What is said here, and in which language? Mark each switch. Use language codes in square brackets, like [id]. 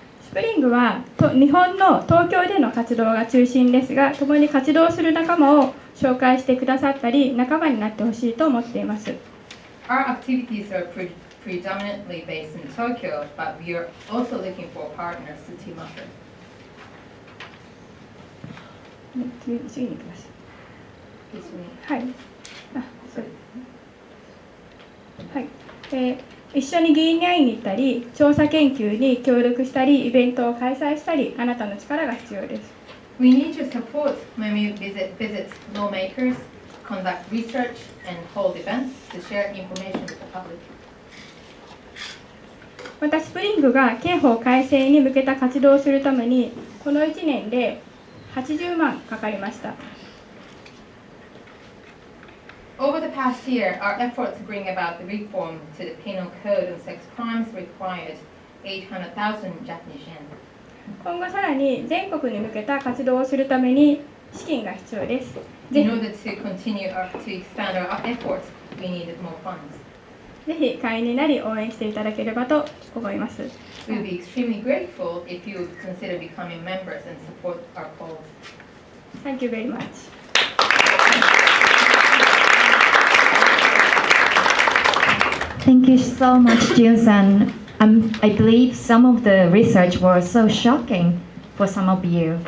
[ja] Spring は日本の東京での活動が中心ですが、共に活動する仲間を紹介してくださったり、仲間になってほしいと思っています。 [en] Our activities are predominantly based in Tokyo, but we are also looking for partners to team up with. [ja] 次に行きます。はい、はい、一緒に議員に会いに行ったり、調査研究に協力したり、イベントを開催したり、あなたの力が必要です。 [en] We need your support when we visit lawmakers, conduct research and hold events to share information with the public. [ja] またスプリングが刑法改正に向けた活動をするために、この1年で80万かかりました。 [en] Over the past year, our effort to bring about the reform to the Penal Code on Sex Crimes required 800,000 Japanese yen. [ja] 今後さらに全国に向けた活動をするために資金が必要です。 [en] In order to continue to expand our efforts, we needed more funds. [ja] ぜひ会員になり応援していただければと思います。 [en] We'll be extremely grateful if you consider becoming members and support our cause. Thank you very much. Thank you so much, Jun-san. I believe some of the research was so shocking for some of you.